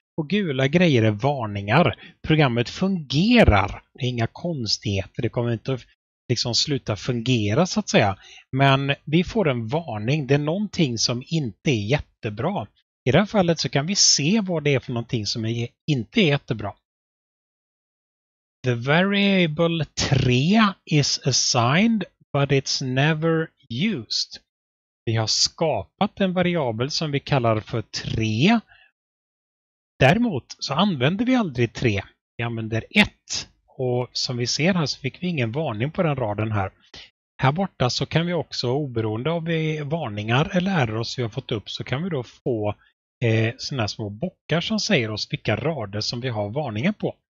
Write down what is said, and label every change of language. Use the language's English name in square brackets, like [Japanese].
[Swedish] Och gula grejer är varningar. Programmet fungerar. Det är inga konstigheter. Det kommer inte att liksom sluta fungera, så att säga. Men vi får en varning. Det är någonting som inte är jättebra. I det här fallet så kan vi se vad det är för någonting som inte är jättebra. [English] The variable 3 is assigned but it's never used. [Swedish] Vi har skapat en variabel som vi kallar för 3. Däremot så använder vi aldrig 3. Vi använder 1. Och som vi ser här så fick vi ingen varning på den raden här. Här borta så kan vi också, oberoende av varningar eller errors vi har fått upp, så kan vi då få såna små bockar som säger oss vilka rader som vi har varningar på.